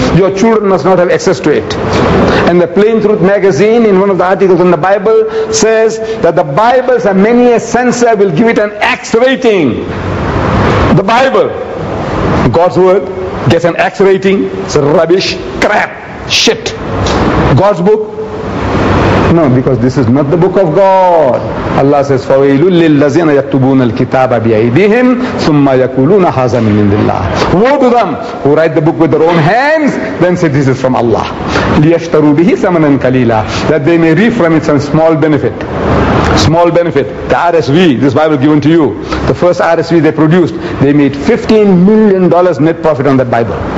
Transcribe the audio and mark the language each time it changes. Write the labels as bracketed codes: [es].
[en] Your children must not have access to it. And the Plain Truth magazine, in one of the articles in the Bible, says that the Bibles and many a censor will give it an X rating. The Bible, God's word, gets an X rating. It's rubbish, crap, shit. God's book, No, because this is not the book of God. Allah says, [ar] فَوَيْلٌ لِلَّذِينَ يَكْتُبُونَ الْكِتَابَ بِأَيْدِهِمْ ثُمَّ يَكُولُونَ هَذَا مِنْ عِنْدِ اللَّهِ. [en] Woe to them who write the book with their own hands, then say, this is from Allah. [ar] لِيَشْتَرُوا بِهِ ثَمَنًا قَلِيلًا. [en] That they may reap from it some small benefit. Small benefit. The RSV, this Bible given to you, the first RSV they produced, they made $15 million net profit on that Bible.